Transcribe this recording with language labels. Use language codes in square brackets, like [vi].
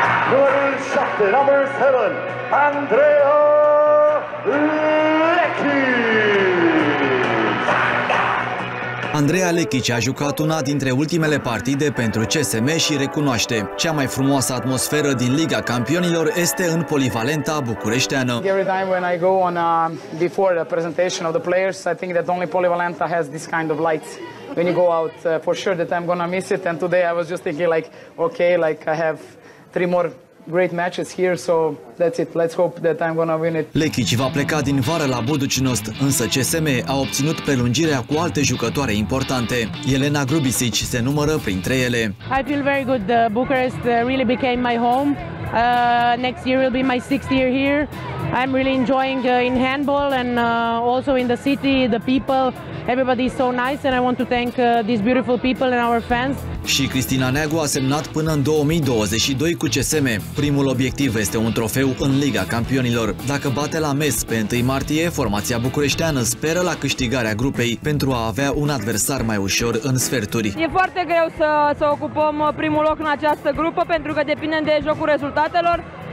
[ro] Numărul 7, [en] number 7, [ro] Andreea Lechi! Andreea Lechic a jucat una dintre ultimele partide pentru CSM și recunoaște. Cea mai frumoasă atmosferă din Liga Campionilor este în polivalenta bucureșteană. [en] Every time when I go on before the presentation of the players, I think that only polivalenta has this kind of lights. When you go out, for sure that I'm gonna miss it. And today I was just thinking like, okay, like I have three more great matches here, so that's it. Let's hope that I'm gonna win it. [ro] Lechici va pleca din vară la Buducinost, însă CSM a obținut prelungirea cu alte jucătoare importante. Elena Grubisic se numără printre ele. [en] I feel very good. Bucharest really became my home. Next year will be my sixth year here. I'm really enjoying in handball and also in the city, the people. Everybody is so nice and I want to thank these beautiful people and our fans. [ro] Și Cristina Neagu a semnat până în 2022 cu CSM. Primul obiectiv este un trofeu în Liga Campionilor. Dacă bate la MES pe 1 martie, formația bucureșteană speră la câștigarea grupei pentru a avea un adversar mai ușor în sferturi. E foarte greu să ocupăm primul loc în această grupă pentru că depinde de jocul rezultatelor.